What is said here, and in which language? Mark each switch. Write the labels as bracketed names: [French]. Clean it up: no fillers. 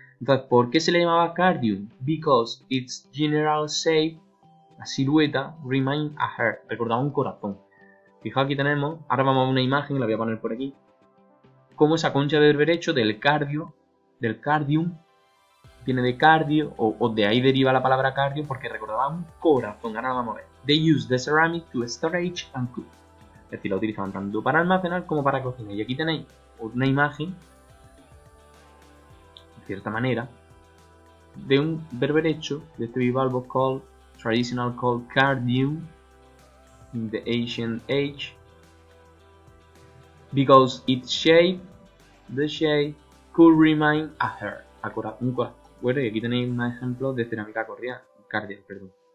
[Spanish] Entonces, ¿por qué se le llamaba cardium? [English] Because its general shape, [Spanish] la silueta, [English] remind a heart, [Spanish] recordaba un corazón. Fijaos, aquí tenemos, ahora vamos a una imagen, la voy a poner por aquí, como esa concha de berberecho del cardio, del cardium, viene de cardio, o de ahí deriva la palabra cardio, porque recordaba un corazón. Ahora vamos a ver. [English] They use the ceramic to storage and cook. [Spanish] Es decir, lo utilizaban tanto para almacenar como para cocinar. Y aquí tenéis una imagen, de cierta manera, de un berberecho de este bivalvo [English] called, traditional called cardium, in the ancient age. Because its shape, the shape, could remind a heart, a corazón. [Spanish] Bueno, y aquí tenéis más ejemplos de cerámica cardial, perdón.